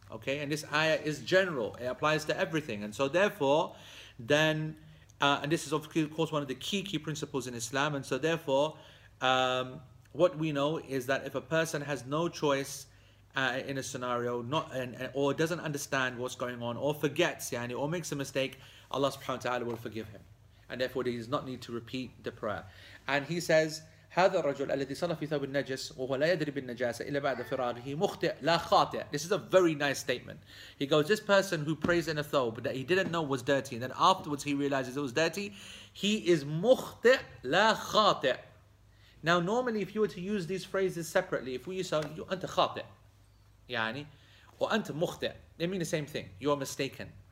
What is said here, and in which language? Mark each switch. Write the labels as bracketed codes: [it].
[en] Okay, and this ayah is general. It applies to everything. And so therefore, then, and this is of course one of the key principles in Islam. And so therefore, what we know is that if a person has no choice in a scenario, or doesn't understand what's going on, or forgets, يعني, or makes a mistake, Allah subhanahu wa ta'ala will forgive him. And therefore, he does not need to repeat the prayer. And he says, [ar] هذا الرجل الذي صلى في ثوب النجس وهو لا يدري بالنجاسة إلا بعد فراغه مخطئ لا خاطئ. [en] This is a very nice statement. He goes, this person who prays in a thawb that he didn't know was dirty, and then afterwards he realizes it was dirty, he is [ar] مخطئ لا خاطئ. [en] Now, normally, if you were to use these phrases separately, if we use, you [ar] أنت خاطئ, [en] يعني, or [ar] أنت مخطئ, [en] they mean the same thing. You are mistaken.